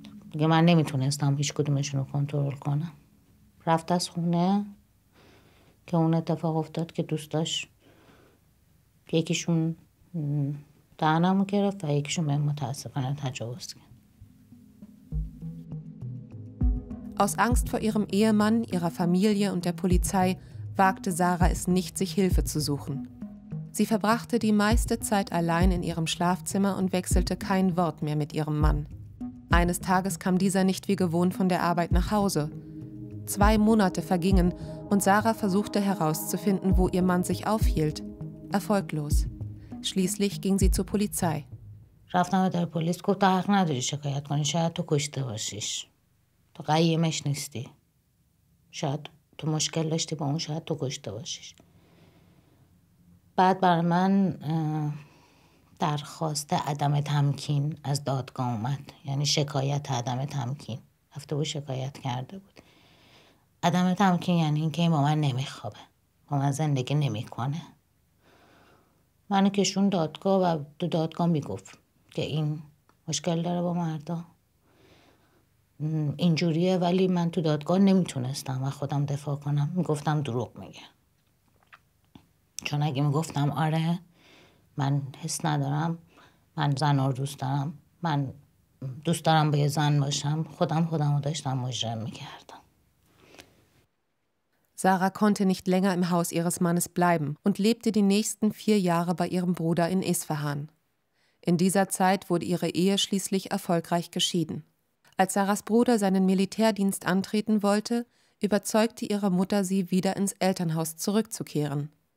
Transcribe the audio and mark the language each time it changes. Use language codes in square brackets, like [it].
[fa] دیگه من نمیتونستم هیچ کدومشون رو کنترل کنم رفت از خونه که اون اتفاق افتاد که دوستاش یکیشون دهنم رو گرفت و یکیشون به متاسفانه تجاوز کرد. [de] Aus Angst vor ihrem Ehemann, ihrer Familie und der Polizei wagte Sarah es nicht, sich Hilfe zu suchen. Sie verbrachte die meiste Zeit allein in ihrem Schlafzimmer und wechselte kein Wort mehr mit ihrem Mann. Eines Tages kam dieser nicht wie gewohnt von der Arbeit nach Hause. Zwei Monate vergingen und Sarah versuchte herauszufinden, wo ihr Mann sich aufhielt. Erfolglos. Schließlich ging sie zur Polizei. [fa] رفتم در پلیس گفت تو حق نداری شکایت کنی شاید تو کشته باشیش تو قیمش نیستی شاید تو مشکل داشتی با اون شاید تو کشته باشیش بعد بر من درخواست عدم تمکین از دادگاه اومد یعنی شکایت عدم تمکین هفته بود شکایت کرده بود عدم تمکین یعنی اینکه این با من نمیخوابه با من زندگی نمیکنه منو کشون دادگاه و تو دادگاه میگفت که این مشکل داره با مردا اینجوریه ولی من تو دادگاه نمیتونستم و خودم دفاع کنم میگفتم دروغ میگه چون اگه میگفتم آره من حس ندارم من زن رو دوست دارم من دوست دارم با یه زن باشم، خودم رو داشتم مجرم میکردم. [de] Sarah konnte nicht länger im Haus ihres Mannes bleiben und lebte die nächsten 4 Jahre bei ihrem Bruder in Isfahan. In dieser Zeit wurde ihre Ehe schließlich erfolgreich geschieden. Als Sarahs Bruder seinen Militärdienst antreten wollte, überzeugte ihre Mutter sie, wieder ins Elternhaus zurückzukehren.